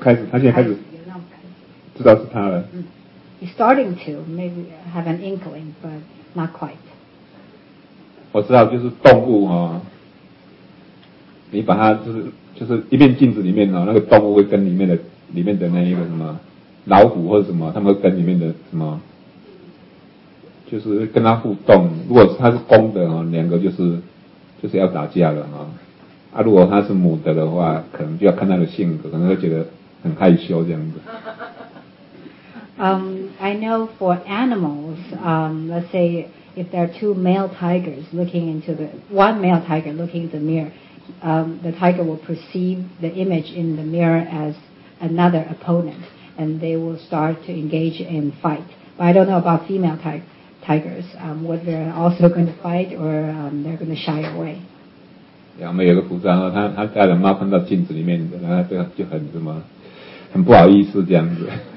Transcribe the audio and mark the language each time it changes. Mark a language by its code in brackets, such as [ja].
[zh] 开始他现在开始知道是他了。 [en] He's starting to, maybe have an inkling, but not quite. [zh] 我知道就是动物哦，你把它就是一面镜子里面哦，那个动物会跟里面的那一个什么。老虎或者什么，他们会跟里面的什么，就是跟他互动。如果他是公的啊，两个就是要打架了啊。啊，如果他是母的话，可能就要看他的性格，可能会觉得很害羞这样子。 [en] I know for animals, let's say if there are two male tigers looking into the one male tiger looking in the mirror, the tiger will perceive the image in the mirror as another opponent, and they will start to engage in fight. But I don't know about female tigers, whether they're also going to fight or they're going to shy away. [zh] 杨梅有个服装，他家的猫碰到镜子里面，然后就很什么，很不好意思这样子。